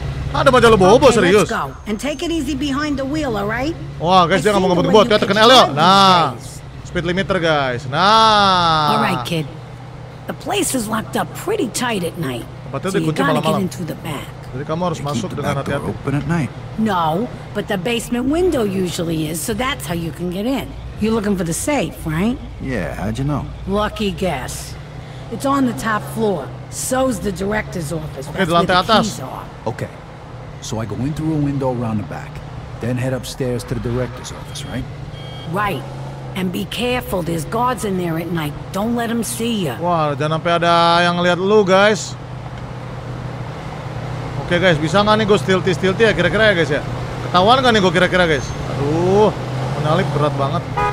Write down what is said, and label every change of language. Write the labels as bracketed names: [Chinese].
[Indonesian] Ada majalah lo bobo, serius. Wah, guys, dia gak mau ngebut-ngebut, kita tekan L ya. Nah, speed limiter guys, nah. [English] Alright kid, the place is locked up pretty tight at night. [Indonesian] Tempatnya dikunci malam-malam. Jadi kamu harus masuk dengan hati-hati. [English] No, but the basement window usually is, so that's how you can get in. You're looking for the safe, right? Yeah, how'd you know? Lucky guess. It's on the top floor. So's the director's office. [Indonesian] Okay, lantai atas. Okay. [English] So I go in through a window around the back, then head upstairs to the director's office, right? Right. And be careful, there's guards in there at night. Don't let them see you. [Indonesian] Wah, jangan sampai ada yang ngeliat lu, guys. Oke, okay, guys, bisa enggak nih gua stealthy-stealthy ya kira-kira ya, guys ya? Ketahuan enggak nih gua kira-kira, guys? Aduh. Menyalip berat banget.